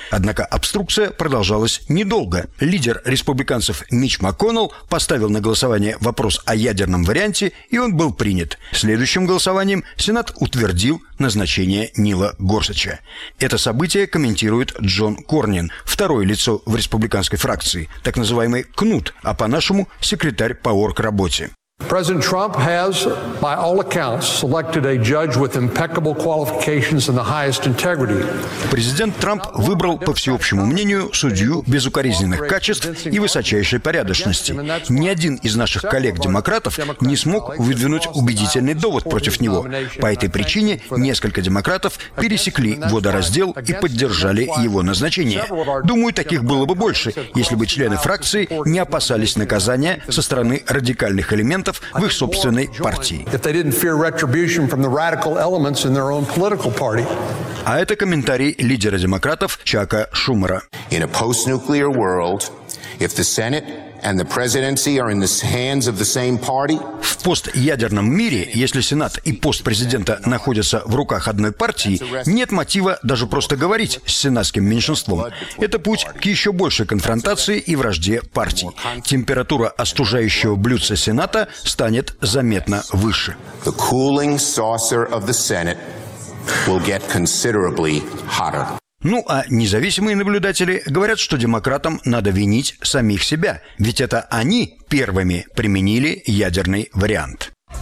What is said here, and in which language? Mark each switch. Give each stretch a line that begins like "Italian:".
Russian: Однако обструкция продолжалась недолго. Лидер республиканцев Митч МакКоннелл поставил на голосование вопрос о ядерном варианте, и он был принят. Следующим голосованием Сенат утвердил назначение Нила Горсача. Это событие комментирует Джон Корнин, второе лицо в республиканской фракции, так называемый КНУТ, а по-нашему секретарь по оргработе.
English: President Trump has, by all accounts, selected a judge with impeccable qualifications and the highest integrity.
Russian: Президент Трамп выбрал, по всеобщему мнению, судью безукоризненных качеств и высочайшей порядочности. Ни один из наших коллег-демократов не смог выдвинуть убедительный довод против него. По этой причине несколько демократов пересекли водораздел и поддержали его назначение. Думаю, таких было бы больше, если бы члены фракции не опасались наказания со стороны радикальных элементов в их собственной партии.
English: If they didn't fear retribution from the radical elements in their own political party.
Russian: А это комментарий лидера демократов Чака Шумера.
English: In a post-nuclear world, if the Senate and the presidency are in the hands of the same party.
Russian: В постядерном мире, если Сенат и пост президента находятся в руках одной партии, нет мотива даже просто говорить с сенатским меньшинством. Это путь к еще большей конфронтации и вражде партий. Температура остужающего блюдца Сената станет заметно выше.
English: The cooling saucer of the Senate will get considerably hotter.
Russian: Ну, а независимые наблюдатели говорят, что демократам надо винить самих себя, ведь это они первыми применили ядерный вариант.